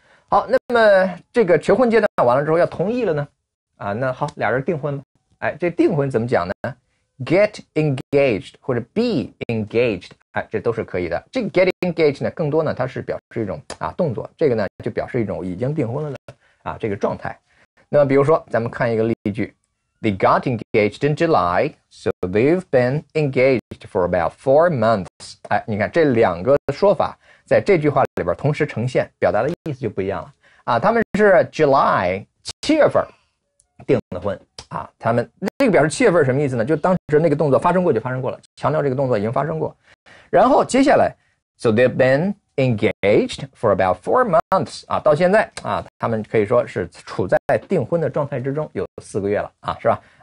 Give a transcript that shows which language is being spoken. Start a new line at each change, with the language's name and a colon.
Chinese: 好，那么这个求婚阶段完了之后要同意了呢，啊，那好，俩人订婚吧。哎，这订婚怎么讲呢？ Get engaged 或者 be engaged， 哎，这都是可以的。这个 get engaged 呢，更多呢它是表示一种啊动作，这个呢就表示一种已经订婚了的啊这个状态。那么比如说，咱们看一个例句 ：
English: They got engaged in July， so they've been engaged for about 4 months。
Chinese: 哎，你看这两个说法。在这句话里边同时呈现，表达的意思就不一样了啊。他们是 July 七月份订的婚啊。他们这个表示七月份什么意思呢？就当时那个动作发生过就发生过了，强调这个动作已经发生过。然后接下来 ，
English: So they've been engaged for about 4 months
Chinese: 啊，到现在啊，他们可以说是处在订婚的状态之中，有4个月了啊，是吧？